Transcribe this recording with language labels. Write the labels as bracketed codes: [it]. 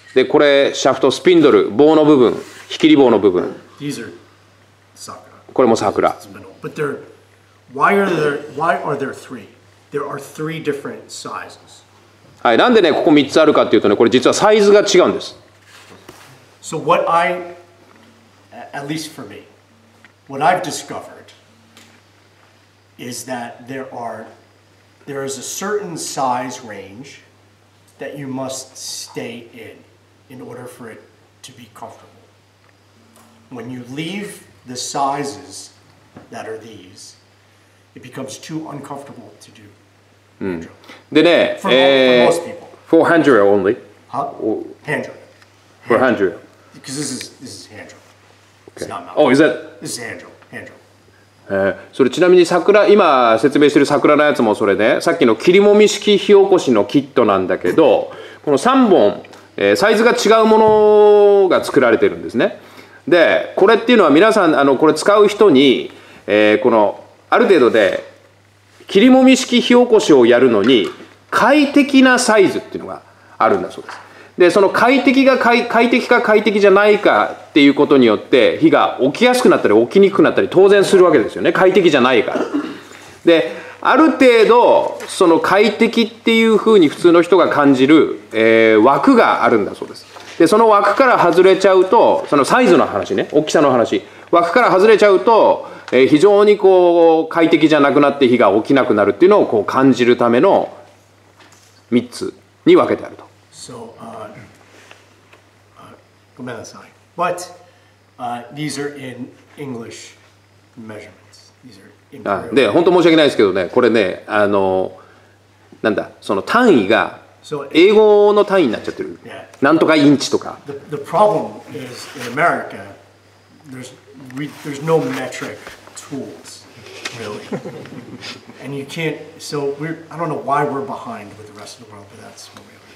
[ja] でこれシャフト、スピンドル、棒の部分、引きり棒の部分。 [en] These are sakura. [ja] これも桜。 [en] But there, why are there three? There are three different sizes. [ja] はい、なんでねここ3つあるかっていうとね、これ実はサイズが違うんです。 [en] So what I, at least for me, what I've discovered is that there is a certain size range. That you must stay in order for it to be comfortable. When you leave the sizes that are these, it becomes too uncomfortable to do. [ja] でね、 [en] for hand drill only. Huh? Hand drill. For hand drill. Because this is hand drill. Okay. It's not mountain. Oh, is that? This is hand drill. Hand drill. [ja] それちなみに桜、今説明してる桜のやつもそれね、さっきの切りもみ式火起こしのキットなんだけど、この3本、サイズが違うものが作られてるんですね。でこれっていうのは皆さんこれ使う人に、このある程度で切りもみ式火起こしをやるのに快適なサイズっていうのがあるんだそうです。でその快適か快適じゃないかっていうことによって火が起きやすくなったり起きにくくなったり当然するわけですよね。快適じゃないから。である程度その快適っていうふうに普通の人が感じる、枠があるんだそうです。でその枠から外れちゃうと、そのサイズの話ね、大きさの話、枠から外れちゃうと、非常にこう快適じゃなくなって火が起きなくなるっていうのをこう感じるための3つに分けてあると。 So, ごめんなさい。 [en] But, these are in English measurements. These are in English. [ja] で、本当申し訳ないですけどね、これね、なんだ、その単位が英語の単位になっちゃってる。 [en] Yeah. [ja] なんとかインチとか。 [en] The problem is in America, there's no metric tools, really. And you can't, so I don't know why we're behind with the rest of the world, but that's what we are.